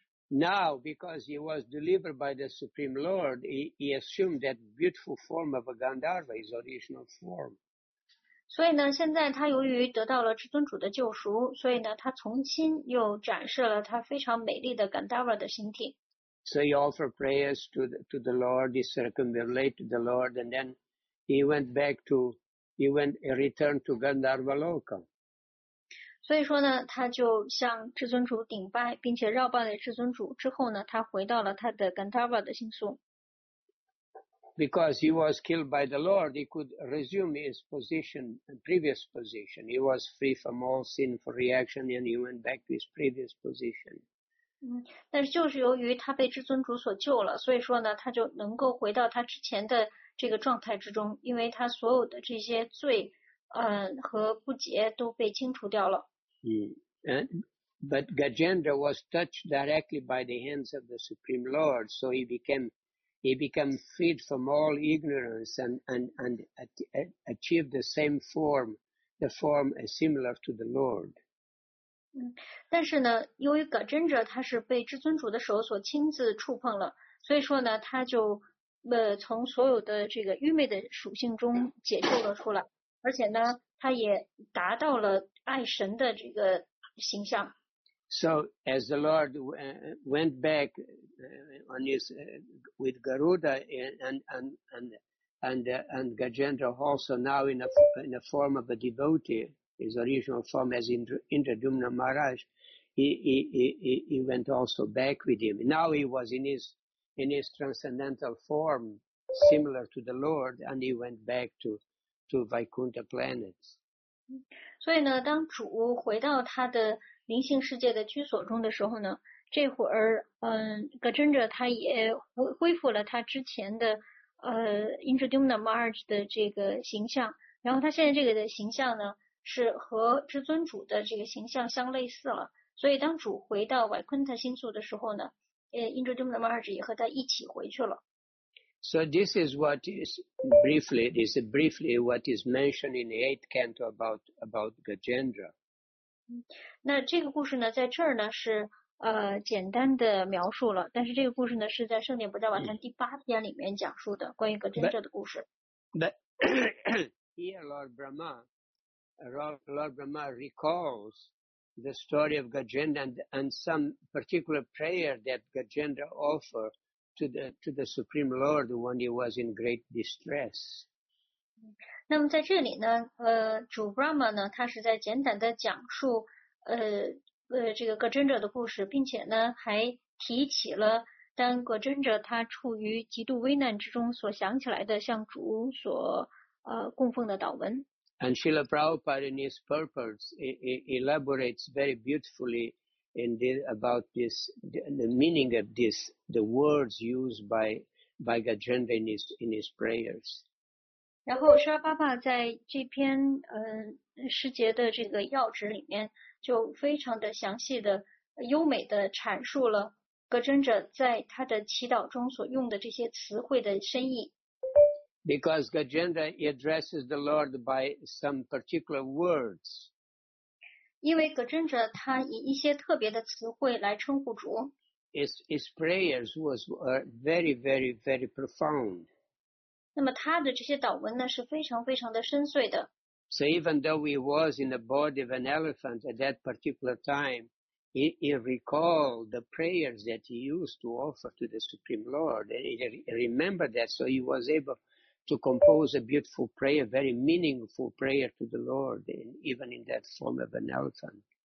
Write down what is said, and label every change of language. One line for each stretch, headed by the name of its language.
English: Now, because he was delivered by the Supreme Lord, he assumed that beautiful form of a Gandharva, his original form.
Chinese: 所以呢，现在他由于得到了至尊主的救赎，所以呢，他重新又展示了他非常美丽的 Gandharva 的形体。
English: So he offered prayers to the Lord, he circumambulated the Lord, and then he went back to. He returned to Gandharva Loka.
Chinese: 所以说呢，他就向至尊主顶拜，并且绕拜了至尊主之后呢，他回到了他的 Gandharva 的星宿。
English: Because he was killed by the Lord, he could resume his position, previous position. He was free from all sinful reaction, and he went back to his previous position.
Chinese: 但是就是由于他被至尊主所救了，所以说呢，他就能够回到他之前的。这个状态之中，因为他所有的这些罪，和不洁都被清除掉了。
English: But Gajendra was touched directly by the hands of the Supreme Lord, so he became freed from all ignorance and achieved the same form, the form similar to the Lord.
Chinese: 但是呢，由于 Gajendra 他是被至尊主的手所亲自触碰了，所以说呢，他就。从所有的这个愚昧的属性中解救了出来，而且呢，他也达到了爱神的这个形象。
English: So as the Lord went back on his with Garuda and Gajendra also now in a form of a devotee, his original form as Indradyumna Maharaj, he went also back with him. Now he was in his transcendental form, similar to the Lord, and he went back to Vaikuntha planets.
Chinese: 所以呢，当主回到他的灵性世界的居所中的时候呢，这会儿，Gajendra 他也恢复了他之前的Indradyumna Maharaj 的这个形象，然后他现在这个的形象呢，是和至尊主的这个形象相类似了。所以当主回到 Vaikuntha 星宿的时候呢。Indradyumna Maharaj 也和他一起回去了。
English: So this is what is briefly, this is briefly what is mentioned in the eighth canto about Gajendra.
Chinese: 那这个故事呢，在这儿呢是简单的描述了，但是这个故事呢是在《圣典不再晚餐》第八篇里面讲述的关于 Gajendra 的故事。
English: But here Lord Brahma recalls. The story of Gajendra and some particular prayer that Gajendra offered to the Supreme Lord when he was in great distress.
Chinese: 那么在这里呢，主 Brahma 呢，他是在简短的讲述这个 Gajendra 的故事，并且呢还提起了当 Gajendra 他处于极度危难之中所想起来的向主所供奉的祷文。
English: And Srila Prabhupada in his purports elaborates very beautifully about this, the meaning of this, the words used by Gajendra in his prayers.
Chinese: 然后沙巴巴在这篇诗节的这个要旨里面就非常的详细的优美的阐述了Gajendra在他的祈祷中所用的这些词汇的深意。
English: Because Gajendra addresses the Lord by some particular words.
Chinese: 因为 Gajendra 他以一些特别的词汇来称呼主。
English: His prayers were very, very, very profound.
Chinese: 那么他的这些祷文呢是非常非常的深邃的。
English: So even though he was in the body of an elephant at that particular time, he recalled the prayers that he used to offer to the Supreme Lord. And he remembered that, so he was able to compose a beautiful prayer, very meaningful prayer to the Lord, even in that form of an elephant.